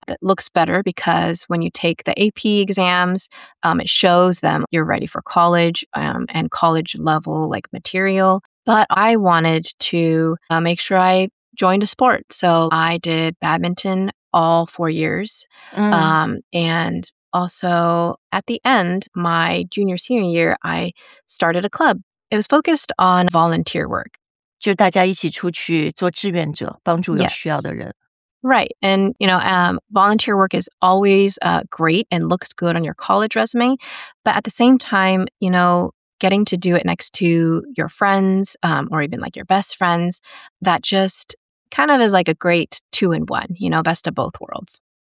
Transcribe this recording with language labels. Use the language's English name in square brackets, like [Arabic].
[English] It looks better because when you take the AP exams, it shows them you're ready for college and college level like material. But I wanted to make sure I joined a sport. So I did badminton all 4 years. And also at the end, my junior, senior year, I started a club. It was focused on volunteer work. [Chinese] 就大家一起出去做志愿者，帮助有需要的人。 [English] Right. And, you know, volunteer work is always great and looks good on your college resume. But at the same time, you know, getting to do it next to your friends or even like your best friends, that just kind of is like a great two in one, you know, best of both worlds.